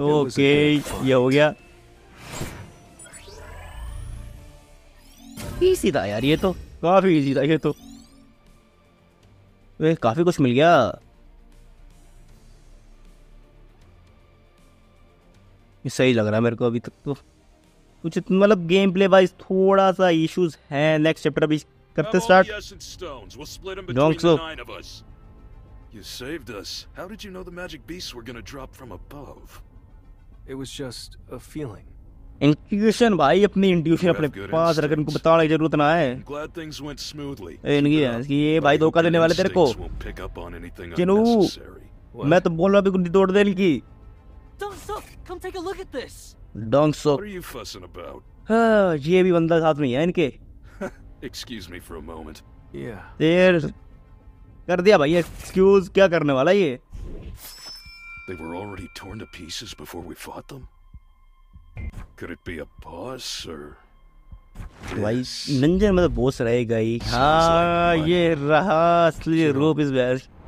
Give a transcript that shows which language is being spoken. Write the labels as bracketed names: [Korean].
[Hindi] Okay ये हो गया इजी था यार, ये तो काफी इजी था, ये तो वे काफी कुछ मिल गया। ये सही लग रहा है मेरे को अभी तक तो, कुछ मतलब गेम प्ले वाइज थोड़ा सा इश्यूज हैं। नेक्स्ट चैप्टर अभी करते start. [English] You saved us. How did you know the magic beasts were going to drop from above? It was just a feeling. [Hindi] Intuition भाई, अपनी intuition अपने पास रख, इनको बताने की जरूरत ना है। [English] Glad things went smoothly. [Hindi] इनकी है कि ये भाई धोखा देने वाले तेरे को। चिनू मैं तो बोल रहा हूं गुंडी तोड़ दे इनकी। [English] Come take a look at this. Dongsuk. What are you fussing about? [Hindi] ये भी बंदा साथ में है इनके। [English] Excuse me for a moment. [Hindi] देर कर दिया भाई, एक्सक्यूज क्या करने वाला ये? [English] They were already torn to pieces before we fought them. Could it be a boss or [Hindi] भाई नंजे मतलब बॉस रहेगा ही। हाँ ये रहा असली रूप इस बार।